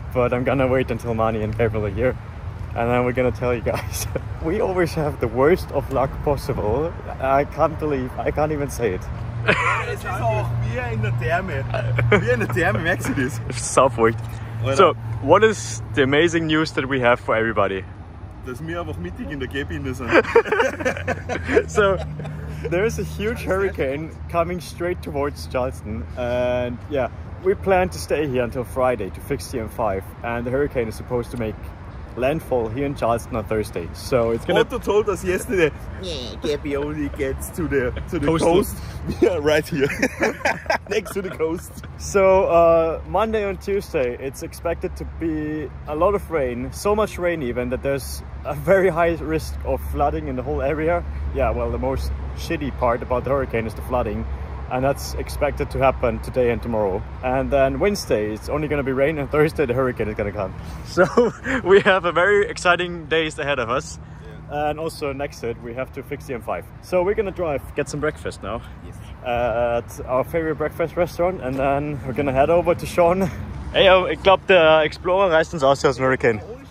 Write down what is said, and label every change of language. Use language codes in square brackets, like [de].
[en] But I'm gonna wait until Manny and Gabriel are here. And then we're gonna tell you guys. We always have the worst of luck possible. I can't believe, I can't even say it. [de] Es ist auch wie in der Therme. Wie in der Therme, merkst du das? Saufeucht. [en] So, what is the amazing news that we have for everybody? [de] Dass wir einfach mittig in der Gehbinde sind. [en] So, there is a huge hurricane coming straight towards Charleston. And yeah, we plan to stay here until Friday to fix the M5. And the hurricane is supposed to make landfall here in Charleston on Thursday. So it's gonna. Otto told us yesterday, Gabby only gets to the coast. Yeah, right here, next to the coast. So Monday and Tuesday, it's expected to be a lot of rain. So much rain even that there's a very high risk of flooding in the whole area. Yeah, well, the most shitty part about the hurricane is the flooding. And that's expected to happen today and tomorrow. And then Wednesday, it's only gonna be rain, and Thursday the hurricane is gonna come. So we have a very exciting days ahead of us. Yeah. And also next, we have to fix the M5. So we're gonna drive, get some breakfast now. Yes. At our favorite breakfast restaurant, and then we're gonna head over to Sean. [de] Hey, ich glaube der Explorer reist uns aus dem Hurricane.